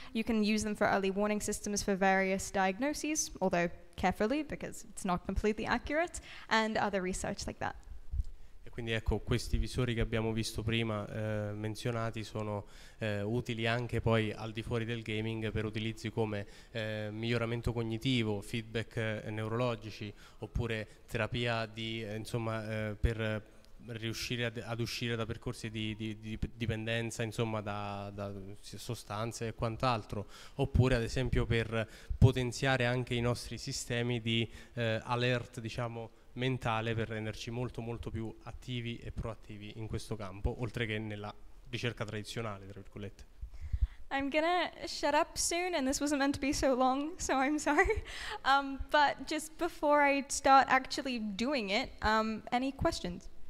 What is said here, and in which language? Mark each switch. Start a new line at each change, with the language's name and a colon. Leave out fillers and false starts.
English: You can use them for early warning systems for various diagnoses, although carefully because it's not completely accurate, and other research like that.
Italian: Quindi ecco, questi visori che abbiamo visto prima menzionati sono utili anche poi al di fuori del gaming per utilizzi come miglioramento cognitivo, feedback neurologici, oppure terapia di, insomma, per riuscire ad uscire da percorsi di dipendenza, insomma, da sostanze e quant'altro, oppure ad esempio per potenziare anche i nostri sistemi di alert, diciamo, mentale, per renderci molto molto più attivi e proattivi in questo campo, oltre che nella ricerca tradizionale, tra virgolette.
English: I'm gonna shut up soon, and this wasn't meant to be so long, so I'm sorry. But just before I start actually doing it, any questions?